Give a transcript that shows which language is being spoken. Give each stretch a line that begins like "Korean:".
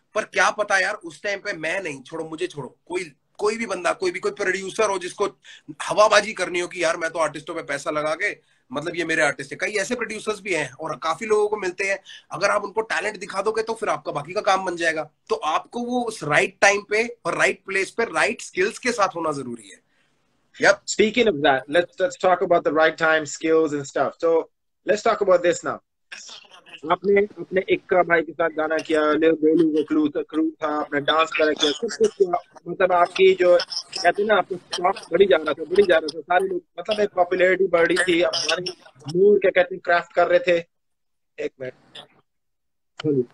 Hindi: पर क्या पता यार उस टाइम पे मैं नहीं, छोड़ो मुझे छोड़ो, कोई कोई भी बंदा, कोई भी कोई प्रोड्यूसर हो जिसको हवाबाजी करनी हो कि यार मैं तो आर्टिस्टों पे पैसा लगा के, मतलब ये मेरे आर्टिस्ट है। कई ऐसे प्रोड्यूसर्स भी हैं और काफी लोगों को मिलते हैं, अगर आप उनको टैलेंट दिखा दोगे तो फिर आपका बाकी का काम बन जाएगा। तो आपको वो उस राइट टाइम पे और राइट प्लेस पे राइट स्किल्स के साथ होना जरूरी है। Yup
English: Speaking of that, let's talk about the right time, skills and stuff. So let's talk about this now.
Hindi: आपने अपने इक्का भाई के साथ गाना किया, लिल बेलू का क्रू था, आपने डांस करा किया, सब कुछ किया. मतलब आपकी जो कहते हैं ना, आपका स्टॉक बढ़ी जा रहा था, सारे लोग मतलब एक पॉपुलैरिटी बढ़ी थी. आप गाने मूर के कहते हैं क्राफ्ट कर रहे थे. एक मिनट,